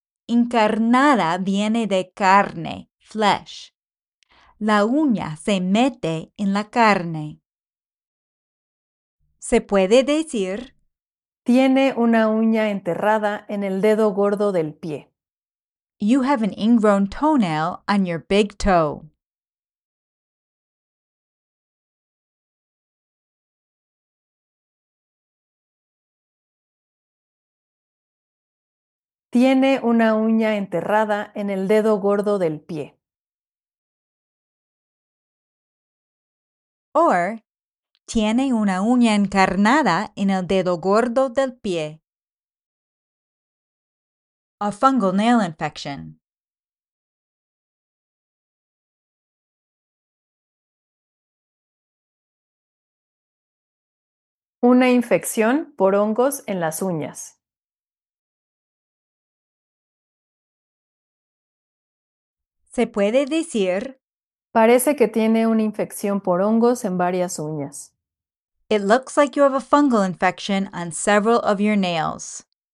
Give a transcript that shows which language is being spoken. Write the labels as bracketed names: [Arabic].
[Spanish] Encarnada viene de carne, flesh. La uña se mete en la carne. Se puede decir, tiene una uña enterrada en el dedo gordo del pie. [English] You have an ingrown toenail on your big toe. [Spanish] Tiene una uña enterrada en el dedo gordo del pie. Or, tiene una uña encarnada en el dedo gordo del pie. [English] A fungal nail infection. [Spanish] Una infección por hongos en las uñas. Se puede decir, parece que tiene una infección por hongos en varias uñas. [English] It looks like you have a fungal infection on several of your nails.